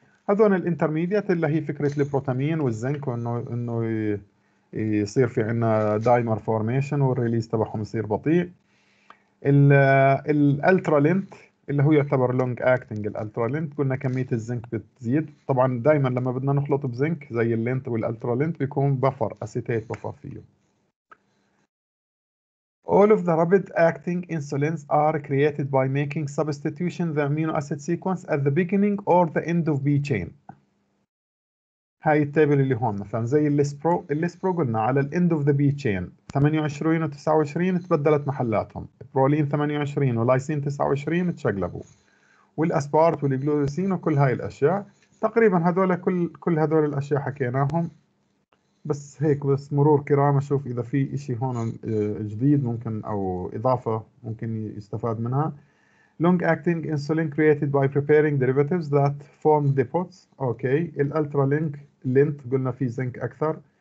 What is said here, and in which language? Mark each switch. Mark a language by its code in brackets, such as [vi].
[ar] هذول الانترميديت اللي هي فكره البروتامين والزنك، وانه يصير في عندنا دايمر فورميشن والريليز تبعهم يصير بطيء. الالترا لينت اللي هو يعتبر لونج اكتنج، الالترا لينت قلنا كميه الزنك بتزيد. طبعا دائما لما بدنا نخلط بزنك زي اللينت والالترا لينت بيكون بفر، اسيتيت بفر فيه. [en] All of the rapid acting insulins are created by making substitution the amino acid sequence at the beginning or the end of B chain. [ar] هاي التابل اللي هون مثلا زي الليسبرو، الليسبرو قلنا على الـ [en] end of the B chain [ar] 28 و29 تبدلت محلاتهم، برولين 28 ولايسين 29 تشقلبوا، والاسبارت والجلوسين وكل هاي الاشياء تقريبا هذول كل هذول الاشياء حكيناهم. بس هيك بس مرور كرام اشوف اذا في اشي هون جديد ممكن او اضافه ممكن يستفاد منها. [en] Long acting insulin created by preparing derivatives that form depots. [ar] اوكي الالترا لينك لينت قلنا في زنك اكثر.